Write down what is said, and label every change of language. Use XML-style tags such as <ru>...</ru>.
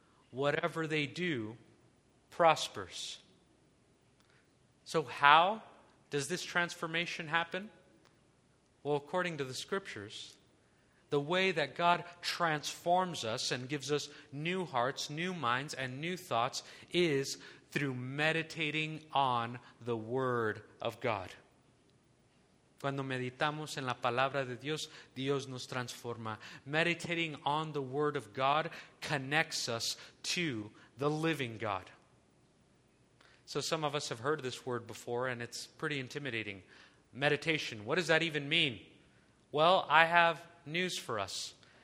<en>Whatever they do prospers. So how does this transformation happen? Well, according to the Scriptures, the way that God transforms us and gives us new hearts, new minds, and new thoughts is through meditating on the Word of God.</en> <es>Cuando meditamos en la palabra de Dios, Dios nos transforma.</es> <en>Meditating on the Word of God connects us to the living God. So some of us have heard this word before, and it's pretty intimidating. Meditation, what does that even mean? Well, I have news for us.</en>